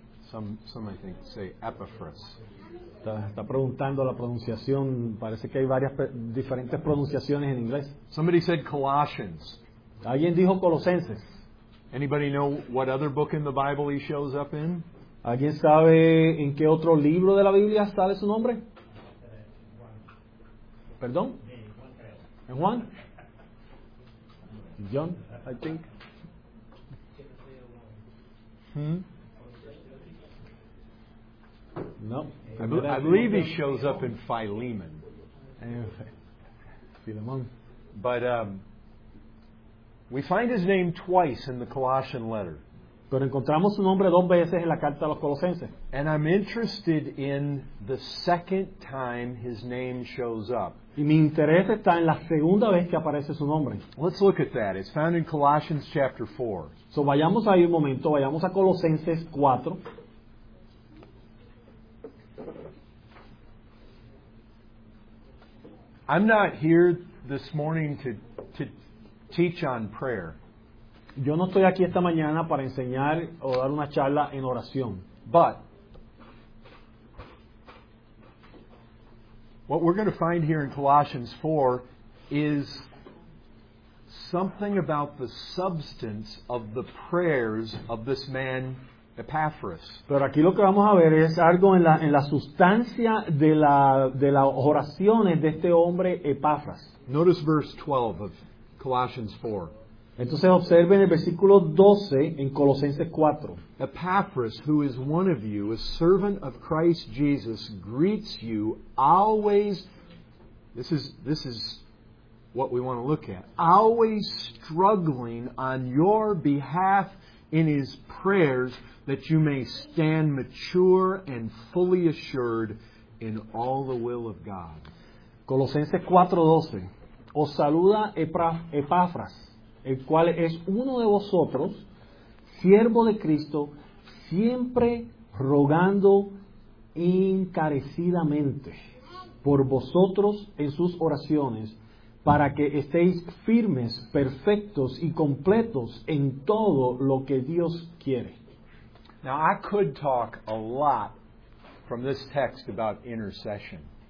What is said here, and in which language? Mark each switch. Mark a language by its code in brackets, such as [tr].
[en] Some I think say Epaphras. [es] Está preguntando la pronunciación. Parece que hay varias diferentes pronunciaciones en inglés. [en] Somebody said Colossians. [es] Alguien dijo Colosenses. [en] Anybody know what other book in the Bible he shows up in? [es] ¿Alguien sabe en qué otro libro de la Biblia sale su nombre? ¿Perdón? ¿En Juan? [en] John, I think. No. I believe he shows up in Philemon. Philemon. But we find his name twice in the Colossian letter. [es] Pero encontramos su nombre dos veces en la carta a los Colosenses. [en] And I'm interested in the second time his name shows up. [es] Y mi interés está en la segunda vez que aparece su nombre. [en] Let's look at that. It's found in Colossians chapter 4. [es] So vayamos ahí un momento, vayamos a Colosenses 4. [en] I'm not here this morning to teach on prayer. [es] Yo no estoy aquí esta mañana para enseñar o dar una charla en oración. [en] But what we're going to find here in Colossians 4 is something about the substance of the prayers of this man Epaphras. [es] Pero aquí lo que vamos a ver es algo en la sustancia de las oraciones de este hombre Epaphras. [en] Notice verse 12 of Colossians 4. [es] Entonces observen el versículo 12 en Colosenses 4. [en] Epaphras, who is one of you, a servant of Christ Jesus, greets you always. This is what we want to look at. Always struggling on your behalf in his prayers, that you may stand mature and fully assured in all the will of God. [es] Colosenses 4:12. Os saluda Epaphras, el cual es uno de vosotros, siervo de Cristo, siempre rogando encarecidamente por vosotros en sus oraciones, para que estéis firmes, perfectos y completos en todo lo que Dios quiere. [en] Now, I could talk a lot from this text about intercession.